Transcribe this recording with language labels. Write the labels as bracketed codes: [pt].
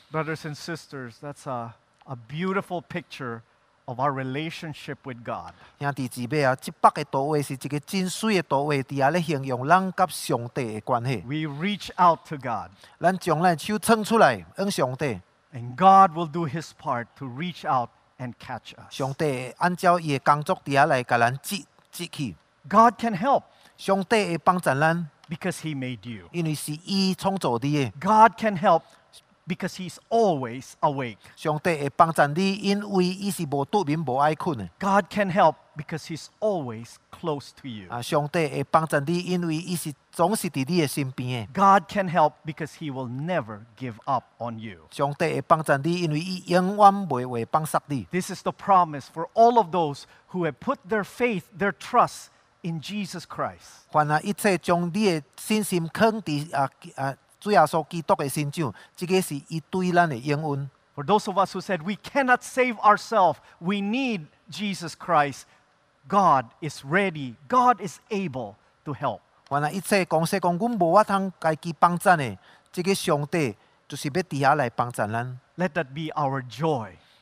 [en] Brothers and sisters, that's a beautiful picture of our relationship with God. [nan] 兄弟姊妹啊，这八个图画是一个真水的图画，底下咧形容咱甲上帝的关系。 [en] We reach out to God. [nan] 咱将咱手撑出来，向上帝。 [en] And God will do His part to reach out and catch us. [nan] 上帝按照伊的工作底下来甲咱接去。 [en] God can help. [nan] 上帝会帮助咱。 [en] Because He made you. [nan] 因为是伊创造你的。 [en] God can help. Because he's always awake. [nan] 上帝会帮助你，因为伊是无独眠无爱困的。 [en] God can help because he's always close to you. [nan] 上帝会帮助你，因为伊是总是伫你的身边的。 [en] God can help because he will never give up on you. [nan] 上帝会帮助你，因为伊永远袂放弃你。 [en] This is the promise for all of those who have put their faith, their trust in Jesus Christ. [nan] 凡啊，一切将你的信心放伫主耶稣基督的身上，这个是伊对咱的应允。 [en] For those of us who said we cannot save ourselves, we need Jesus Christ. God is ready. God is able to help. Let that be our joy.